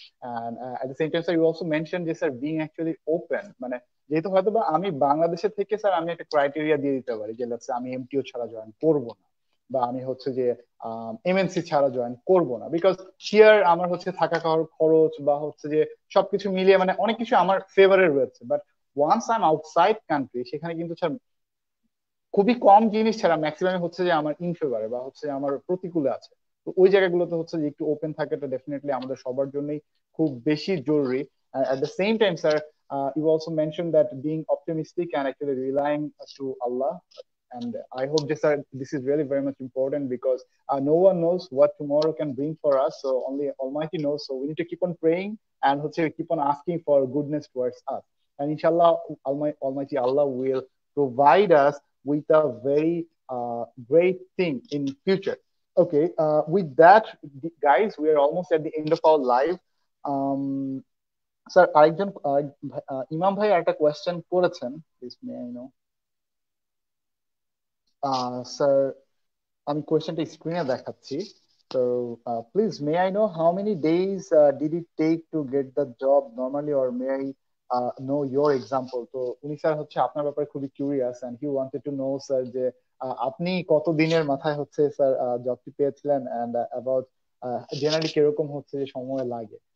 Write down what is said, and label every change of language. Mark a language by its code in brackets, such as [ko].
[en] and at the same time sir you also mention [bn] যে sir being actually open, মানে যেহেতু হয়তো বা আমি বাংলাদেশে থেকে স্যার আমি একটা ক্রাইটেরিয়া দিয়ে দিতে পারি যে লেটস আমি এমটিও ছাড়া জয়েন করব না, বা আমি হচ্ছে যে এমএনসি ছাড়া জয়েন করব না, বিকজ হিয়ার আমার হচ্ছে থাকা খাওয়ার খরচ বা হচ্ছে যে সবকিছু মিলিয়ে মানে অনেক কিছু আমার ফেভারে রয়েছে, [en] but once I am outside country [bn] সেখানে কিন্তু স্যার খুবই কম জিনিস ছাড়া ম্যাক্সিমাম হচ্ছে যে আমার ইন ফেভারে বা হচ্ছে আমার প্রতিকূলে আছে। তো ওই জায়গাগুলোতে হচ্ছে যে একটু ওপেন থাকাটা ডেফিনেটলি আমাদের সবার জন্যই খুব বেশি জরুরি। [en] At the same time sir you also mention that being optimistic and actually relying to Allah, and I hope this sir this is really very much important because no one knows what tomorrow can bring for us, so only Almighty knows, so we need to keep on praying and hopefully keep on asking for goodness towards us, and inshallah Almighty Allah will provide us with a very great thing in future. Okay, with that guys we are almost at the end of our live. [bn] Sir arekjon Imam bhai ekta question korechen, [en] please may I know? [bn] Sir আমি কোয়েশ্চনটা স্ক্রিনে দেখাচ্ছি, তো [en] Please may I know how many days did it take to get the job normally, or may I know your example? [bn] তো উনি sir হচ্ছে আপনার ব্যাপারে খুবই curious [en] and he wanted to know sir [bn] যে আপনি কত দিনের মাথায় হচ্ছে স্যার জবটি পেয়েছিলেন, অ্যান্ড অ্যাবাউট জেনারেলি কিরকম হচ্ছে যে সময় লাগে।